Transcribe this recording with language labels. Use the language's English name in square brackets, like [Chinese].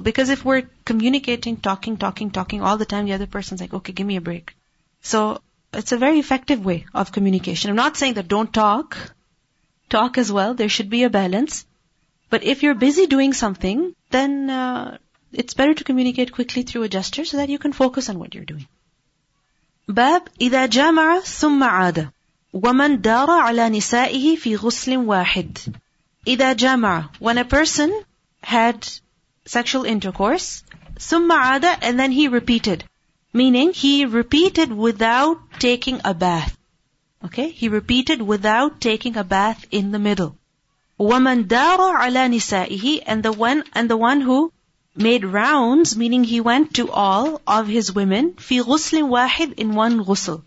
[English] Because if we're communicating, talking all the time, the other person's like, okay, give me a break. So it's a very effective way of communication. I'm not saying that don't talk. Talk as well. There should be a balance. But if you're busy doing something, then it's better to communicate quickly through a gesture so that you can focus on what you're doing. [Arabic] باب إذا جامع ثم عاد ومن دار على نسائه في غسل واحد. إذا جامع, [English] when a person had sexual intercourse, [Arabic] ثم عاد, [English] and then he repeated. Meaning, he repeated without taking a bath. Okay? He repeated without taking a bath in the middle. [Arabic] وَمَنْ دَارَ عَلَى نِسَائِهِ, [English] and the one who made rounds, meaning he went to all of his women, [Arabic] فِي غُسْلٍ وَاحِدٍ, [English] in one ghusl.